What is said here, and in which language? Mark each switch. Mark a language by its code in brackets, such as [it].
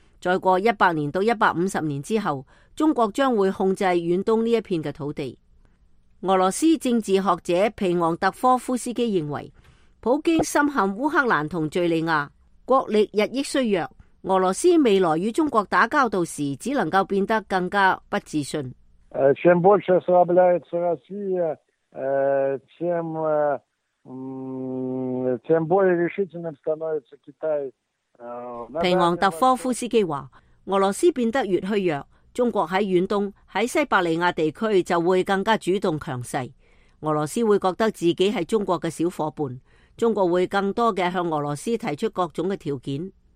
[zh] 再过100年到150年之后，中国将会控制远东这一片的土地。俄罗斯政治学者皮昂特科夫斯基认为，普京深陷乌克兰和叙利亚，国力日益衰弱，俄罗斯未来与中国打交道时只能够变得更加不自信。 [ru] Чем больше ослабляется Россия, тем более решительным становится Китай. [zh] 皮昂特科夫斯基说，俄罗斯变得越虚弱，中国在远东、在西伯利亚地区就会更加主动强势。俄罗斯会觉得自己是中国的小伙伴，中国会更多的向俄罗斯提出各种的条件。